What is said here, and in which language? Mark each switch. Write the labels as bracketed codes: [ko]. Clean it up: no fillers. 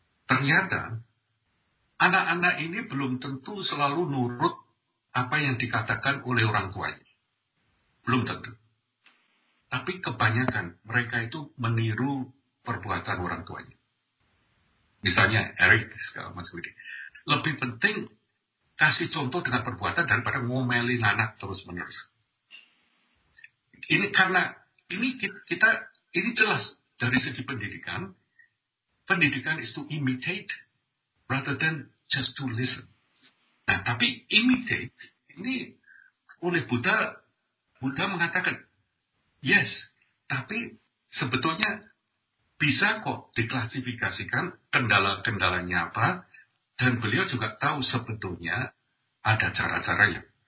[id] ternyata anak-anak ini belum tentu selalu nurut apa yang dikatakan oleh orang tuanya, belum tentu, tapi kebanyakan mereka itu meniru perbuatan orang tuanya, misalnya Eric sekarang masuk ini. Lebih penting kasih contoh dengan perbuatan daripada ngomelin anak terus-menerus. Ini karena ini kita ini jelas dari segi pendidikan. [en] Pendidikan is to imitate rather than just to listen. [id] Nah, tapi imitate ini oleh Buddha mengatakan yes, tapi sebetulnya bisa kok diklasifikasikan kendala-kendalanya apa. Dan beliau juga tahu sebetulnya ada cara-caranya.